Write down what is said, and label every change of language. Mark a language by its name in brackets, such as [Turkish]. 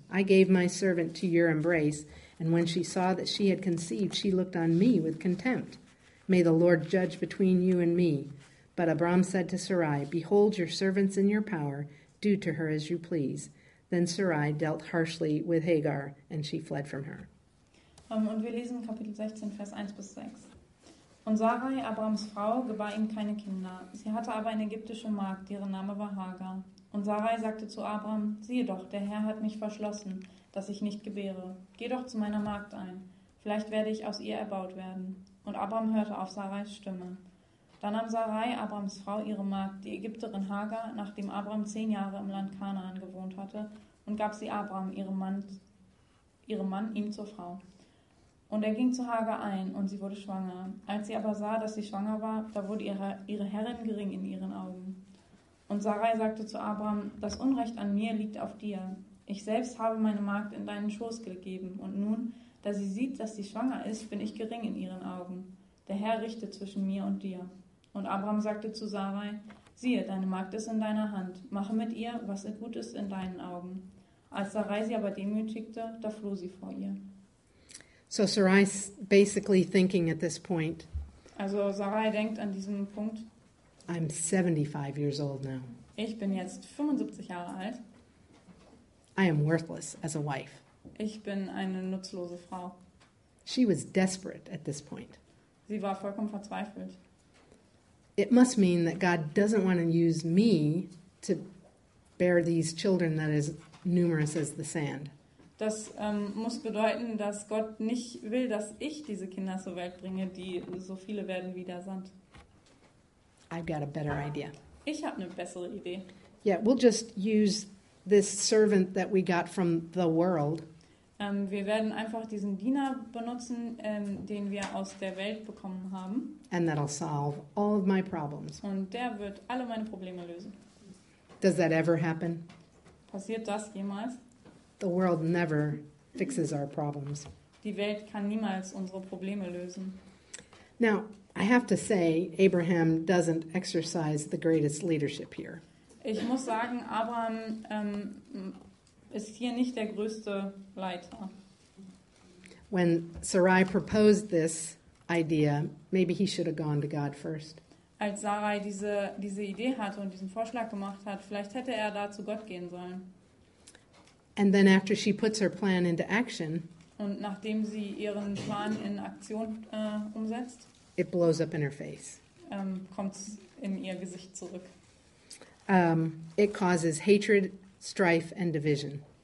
[English] I gave my servant to your embrace, and when she saw that she had conceived, she looked on me with contempt. May the Lord judge between you and me." But Abram said to Sarai, "Behold, your servant's in your power. Do to her as you please." Then Sarai dealt harshly with Hagar, and she fled from her. [German] Und wir lesen Kapitel 16, Vers 1 bis 6. Und Sarai, Abrams Frau, gebar ihm keine Kinder. Sie hatte aber eine ägyptische Magd, deren Name war Hagar. Und Sarai sagte zu Abram, "Siehe doch, der Herr hat mich verschlossen, dass ich nicht gebäre. Geh doch zu meiner Magd ein. Vielleicht werde ich aus ihr erbaut werden." Und Abram hörte auf Sarais Stimme. Da nahm Sarai, Abrams Frau, ihre Magd, die Ägypterin Hagar, nachdem Abram 10 Jahre im Land Kanaan gewohnt hatte, und gab sie Abram, ihrem Mann, ihm zur Frau. Und er ging zu Hagar ein, und sie wurde schwanger. Als sie aber sah, dass sie schwanger war, da wurde ihre Herrin gering in ihren Augen. Und Sarai sagte zu Abram, "Das Unrecht an mir liegt auf dir. Ich selbst habe meine Magd in deinen Schoß gegeben, und nun, da sie sieht, dass sie schwanger ist, bin ich gering in ihren Augen. Der Herr richte zwischen mir und dir." Und Abram sagte zu Sarai, "Siehe, deine Magd ist in deiner Hand. Mache mit ihr, was gut ist in deinen Augen." Als Sarai sie aber demütigte, da floh sie vor ihr. [English] So Sarai's basically thinking at this point. [German] Also Sarai denkt an diesem Punkt. [English] I'm 75 years old now. [German] Ich bin jetzt 75 Jahre alt. [English] I am worthless as a wife. [German] Ich bin eine nutzlose Frau. [English] She was desperate at this point. [German] Sie war vollkommen verzweifelt. [English] It must mean that God doesn't want to use me to bear these children that is numerous as the sand. [German] Das muss bedeuten, dass Gott nicht will, dass ich diese Kinder zur Welt bringe, die so viele werden wie der Sand. [English] I've got a better idea. [German] Ich habe eine bessere Idee. [English] Yeah, we'll just use this servant that we got from the world. [German] Wir werden einfach diesen Diener benutzen, den wir aus der Welt bekommen haben. [English] And that'll solve all of my problems. [German] Und der wird alle meine Probleme lösen. [English] Does that ever happen? [German] Passiert das jemals? [English] The world never fixes our problems. [German] Die Welt kann niemals unsere Probleme lösen. [English] Now, I have to say, Abraham doesn't exercise the greatest leadership here. [German] Ich muss sagen, Abraham ist hier nicht der größte Leiter. [English] When Sarai proposed this idea, maybe he should have gone to God first. [German] Als Sarai diese Idee hatte und diesen Vorschlag gemacht hat, vielleicht hätte er da zu Gott gehen sollen. [English] And then after she puts her plan into action, [German] und nachdem sie ihren Plan in Aktion umsetzt, [English] it blows up in her face. [German] Kommt in ihr Gesicht zurück. [English] It causes hatred, strife and division.